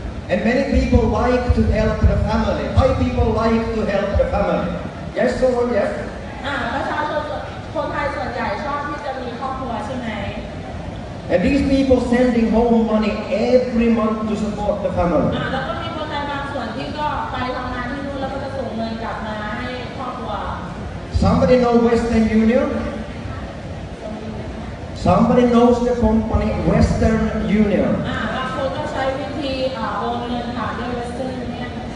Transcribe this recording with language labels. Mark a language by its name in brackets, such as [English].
[English] And many people like to help the family. Why people like to help the family? Yes or yes? [Thai] ประชาชนคนไทยส่วนใหญ่ชอบที่จะมีครอบครัวใช่ไหม [English] And these people sending home money every month to support the family. [Thai] แล้วก็มีคนบางส่วนที่ก็ไปทำงานที่นู่นแล้วก็จะส่งเงินกลับมาให้ครอบครัว [English] Somebody know Western Union? Somebody knows the company Western Union? [Thai] บางคนก็ใช้วิธีโอนเงินผ่านด้วย Western Union.